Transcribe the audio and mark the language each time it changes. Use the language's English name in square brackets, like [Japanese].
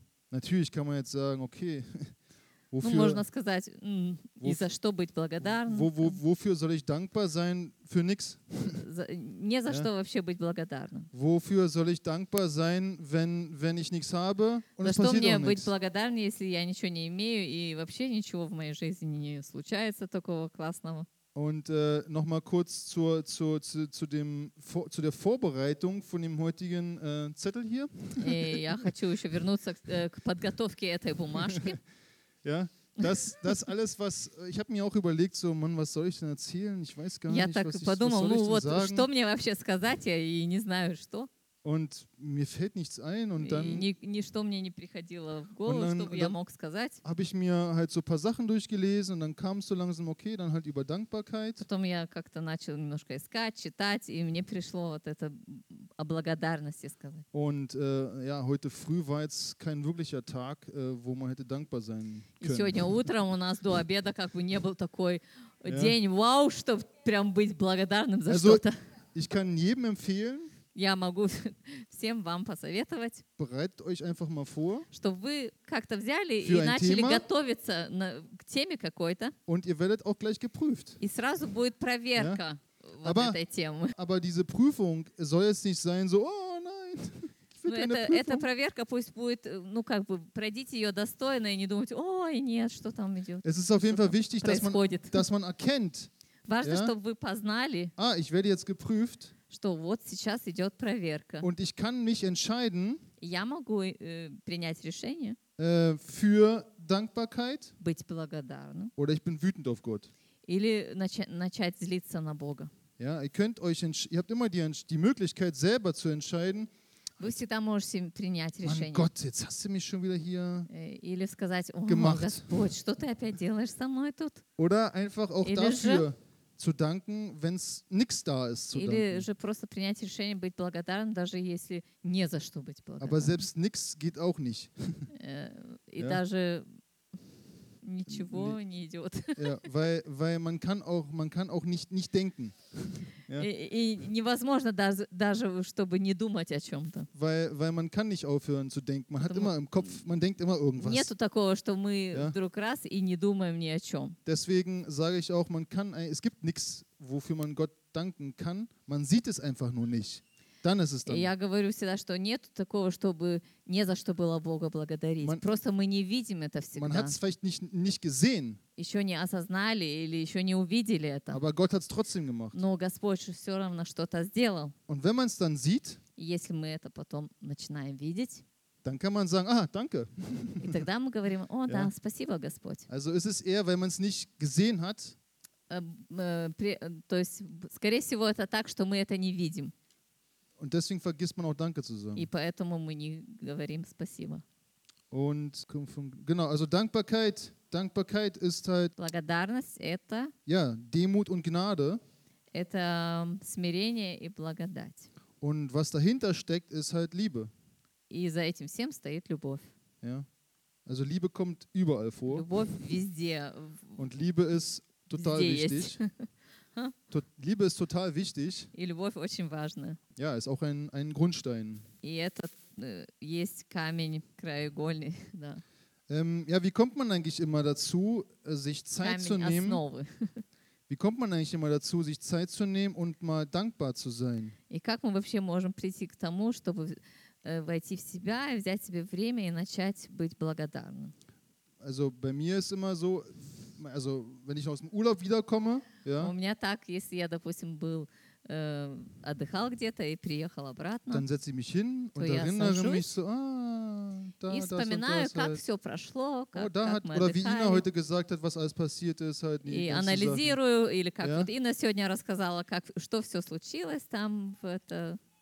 [German] Natürlich kann man jetzt sagen, okay, wofür, [Russian] ну, можно сказать, и за что быть благодарным. [German] Wofür soll ich dankbar sein? Für nichts? [Russian] Не за что вообще быть благодарным. [German] Wofür soll ich dankbar sein, wenn ich nichts habe? Und [Russian] за что мне быть благодарным, если я ничего не имею и вообще ничего в моей жизни не случается такого классного? [German] Und nochmal kurz zu der Vorbereitung von dem heutigen Zettel hier. [Russian] Я хочу еще вернуться к подготовке этой бумажки. [German] Ja, das alles, was ich habe mir auch überlegt, so Mann, was soll ich denn erzählen? Ich weiß gar nicht, was soll ich denn sagen? [Russian] Что мне вообще сказать? Я и не знаю, что. [German] Und mir fällt nichts ein und dann [Russian] ничто мне не приходило в голову, чтобы я мог сказать. [German] Habe ich mir halt so ein paar Sachen durchgelesen und dann kam es so langsam, okay, dann halt über Dankbarkeit. [Russian] Потом я как-то начал немножко искать, читать, и мне пришло вот это о благодарности сказать. [German] Und ja, heute früh war jetzt kein wirklicher Tag, wo man hätte dankbar sein können. [Russian] И сегодня утром у нас до обеда как бы не был такой день, вау, чтобы прям быть благодарным за что-то. [German] Ich kann jedem empfehlen. [Russian] Я могу всем вам посоветовать, [German] bereitet euch einfach mal vor, [Russian] чтобы вы как-то взяли и начали [German] Thema, [Russian] готовиться к теме какой-то. [German] Und ihr werdet auch gleich geprüft. [Russian] И сразу будет проверка этой темы. [German] Aber diese Prüfung soll jetzt nicht sein, so, oh nein, [Russian] эта проверка пусть будет, ну как бы, пройдите ее достойно и не думайте, ой, нет, что там идет. [German] Es ist auf jeden Fall wichtig, dass man erkennt. [Russian] Важно, чтобы вы познали. [German] Ah, ich werde jetzt geprüft. [Russian] Что вот сейчас идет проверка. [German] Und ich kann mich entscheiden, [Russian] я могу принять решение [German] für Dankbarkeit, [Russian] быть благодарным [German] oder ich bin wütend auf Gott. [Russian] Или начать злиться на Бога. [German] Ja, ihr habt immer die Möglichkeit, selber zu entscheiden. [Russian] Вы всегда можете принять решение. [German] Mann, Gott, jetzt hast du mich schon wieder hier [Russian] или сказать, о, [German] gemacht. [Russian] Господь, что ты опять делаешь со мной тут? [German] Oder einfach auch [Russian] или [German] dafür. Zu danken, wenn es nichts da ist, zu [Russian] или [German] danken. [Russian] Же просто принять решение быть благодарным, даже если не за что быть благодарным. [German] Aber selbst nichts geht auch nicht. [Russian] И ja. Даже ничего не идет. [German] Ja, weil man kann auch nicht denken. [Russian] И невозможно даже, чтобы не думать о чем-то. [German] Weil man kann nicht aufhören zu denken. Man hat immer im Kopf, man denkt immer irgendwas. [Russian] Нету такого, что мы вдруг раз и не думаем ни о чем. [German] Deswegen sage ich auch, es gibt nichts, wofür man Gott danken kann. Man sieht es einfach nur nicht. Dann ist es dann. [Russian] Я говорю всегда, что нету такого, чтобы не за что было Бога благодарить. Просто мы не видим это всегда. [German] Man hat es vielleicht nicht gesehen. [Russian] Еще не осознали или еще не увидели это. [German] Aber Gott hat es trotzdem gemacht. [Russian] Но Господь все равно что-то сделал. [German] Und wenn man es dann sieht, [Russian] если мы это потом начинаем видеть, [German] dann kann man sagen, aha, danke. [Russian] И тогда мы говорим, о, да, спасибо, Господь. [German] Also ist es eher, wenn man es nicht gesehen hat. [Russian] То есть, скорее всего, это так, что мы это не видим. [German] Und deswegen vergisst man auch Danke zu sagen. [Russian] И поэтому мы не говорим спасибо. [German] Und genau, also Dankbarkeit ist halt. [Russian] Благодарность это. [German] Ja, Demut und Gnade. [Russian] Это смирение и благодать. [German] Und was dahinter steckt, ist halt Liebe. [Russian] И за этим всем стоит любовь. [German] Ja, also Liebe kommt überall vor. [Russian] Любовь везде. [German] Und Liebe ist total wichtig. Liebe ist total wichtig. [Russian] И любовь очень важна. [German] Ja, ist auch ein Grundstein. [Russian] И это есть камень краеугольный, да. [German] Ja, wie kommt man eigentlich immer dazu, sich Zeit zu нehmen? [Russian] Основы. [German] Wie kommt man eigentlich immer dazu, sich Zeit zu nehmen und mal dankbar zu sein? [Russian] И как мы вообще можем прийти к тому, чтобы войти в себя и взять себе время и начать быть благодарным? [German] Also bei mir ist immer so, also wenn ich aus dem Urlaub wiederkomme, ja. [Russian] У меня так, если я, допустим, был отдыхал где-то и приехал обратно. [German] Dann setze ich mich hin und erinnere mich so. [Russian] И вспоминаю, как все прошло, как мы отдыхали. И анализирую, или как вот Инна сегодня рассказала, как что все случилось там в это.